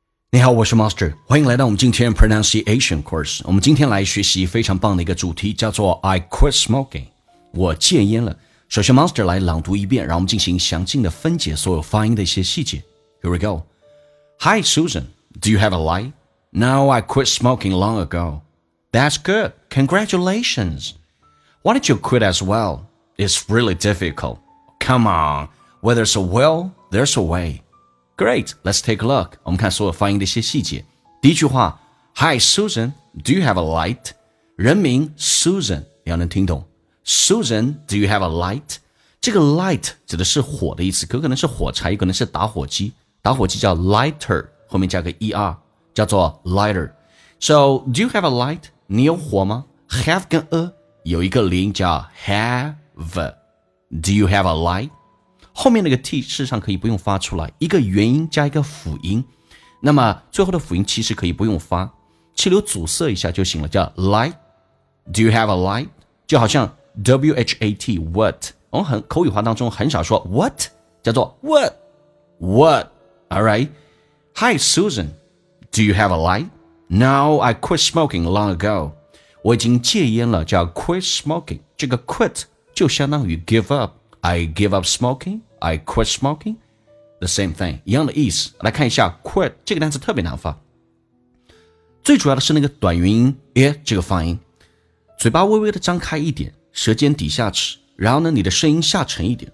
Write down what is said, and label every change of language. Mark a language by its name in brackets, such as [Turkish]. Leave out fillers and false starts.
[Chinese] 你好，我是 Master， 欢迎来到我们今天 [English] Pronunciation Course。 [Chinese] 我们今天来学习非常棒的一个主题，叫做 [English] I quit smoking， [Chinese] 我戒烟了。首先 Master 来朗读一遍，让我们进行详尽的分解所有发音的一些细节。 [English] Here we go。 Hi Susan, do you have a light? No, I quit smoking long ago. That's good, congratulations. Why did you quit as well? It's really difficult. Come on, where there's a will, there's a wayGreat, let's take a look. [Chinese] 我们看所有发音的一些细节。第一句话 [English] Hi Susan, do you have a light? [Chinese] 人名 Susan, 你要能听懂。 [English] Susan, do you have a light? [Chinese] 这个 light 指的是火的意思，可能是火柴，可能是打火机。打火机叫 lighter, 后面加个 er, 叫做 lighter. [English] So, do you have a light? [Chinese] 你有火吗？ Have 跟 a, 有一个零叫 have. [English] Do you have a light? [Chinese] 后面那个 t 事实上可以不用发出来，一个元音加一个辅音，那么最后的辅音其实可以不用发，气流阻塞一下就行了，叫 light, [English] do you have a light? [Chinese] 就好像 W-H-A-T, what? 我们很口语化当中很少说 what? [English] 叫做 what? What? Alright? Hi Susan, do you have a light? No, I quit smoking long ago. [Chinese] 我已经戒烟了，叫 [English] quit smoking, 这个 quit 就相当于 give up,I give up smoking, I quit smoking, the same thing, [Chinese] 一样的意思。来看一下 quit, 这个单词特别难发。最主要的是那个短元音 e 这个发音。嘴巴微微的张开一点，舌尖抵下齿，然后呢你的声音下沉一点。